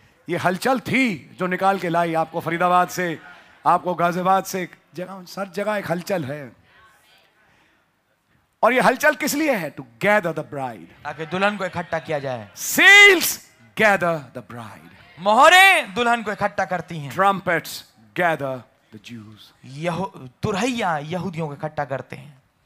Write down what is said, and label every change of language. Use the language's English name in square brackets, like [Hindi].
[Hindi] ये हलचल थी जो निकाल के लाई आपको फरीदाबाद से, आपको गाजियाबाद से. जगह सर जगह एक हलचल है. और ये हलचल किस लिए है? [English] to gather the bride, [Hindi] ताकि दुल्हन को इकट्ठा किया जाए. [English] seals gather the bride, [Hindi] मोहरे दुल्हन को इकट्ठा करती हैं. [English] Trumpets Gather the Jews. [Hindi] तुरहिया यहूदियों को इकट्ठा करते हैं.